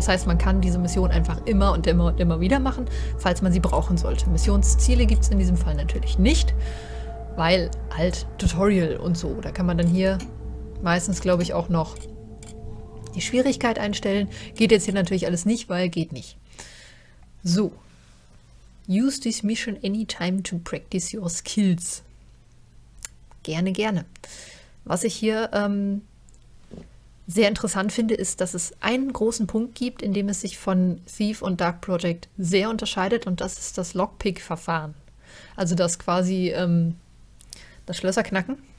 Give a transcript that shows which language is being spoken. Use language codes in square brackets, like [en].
[de] Das heißt, man kann diese Mission einfach immer und immer und immer wieder machen, falls man sie brauchen sollte. Missionsziele gibt es in diesem Fall natürlich nicht, weil halt Tutorial und so. Da kann man dann hier meistens, glaube ich, auch noch die Schwierigkeit einstellen. Geht jetzt hier natürlich alles nicht, weil geht nicht. So. [en] Use this mission anytime to practice your skills. [de] Gerne, gerne. Was ich hier sehr interessant finde, ist, dass es einen großen Punkt gibt, in dem es sich von Thief und Dark Project sehr unterscheidet und das ist das Lockpick-Verfahren. Also das quasi das Schlösserknacken.